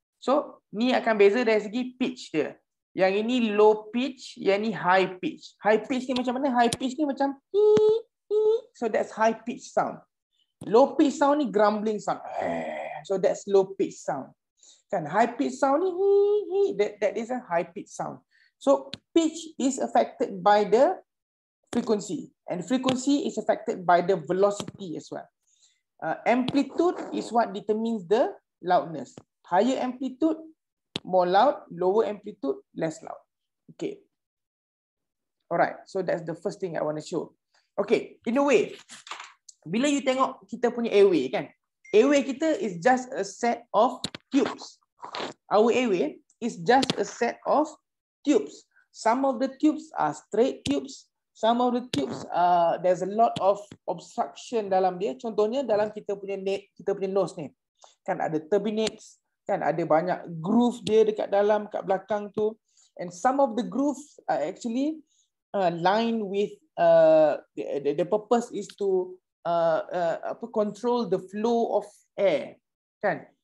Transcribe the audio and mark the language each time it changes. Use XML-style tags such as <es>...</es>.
<ms>So, ni akan beza dari segi pitch dia. Yang ini low pitch, yang ini high pitch. High pitch ni macam mana?</ms> <en>High pitch</en> <ms>ni macam</ms> <en>so that's high pitch sound. Low pitch sound ni grumbling sound. So that's low pitch sound. Kan? High pitch sound ni that is a high pitch sound. So pitch is affected by the frequency and frequency is affected by the velocity as well. Amplitude is what determines the loudness. Higher amplitude more loud, lower amplitude less loud. Okay. All right. So that's the first thing I want to show. Okay, in a way,</en> <ms>bila you tengok kita punya airway kan, airway kita</ms> <en>is just a set of tubes. Our airway is just a set of tubes. Some of the tubes are straight tubes. Some of the tubes, there's a lot of obstruction</en> <ms>dalam dia. Contohnya dalam kita punya nose ni. Kan ada turbinates, kan ada banyak groove dia dekat dalam, kat belakang tu.</ms> <en>And some of the grooves are actually lined with the purpose is to control the flow of air, kan?</en>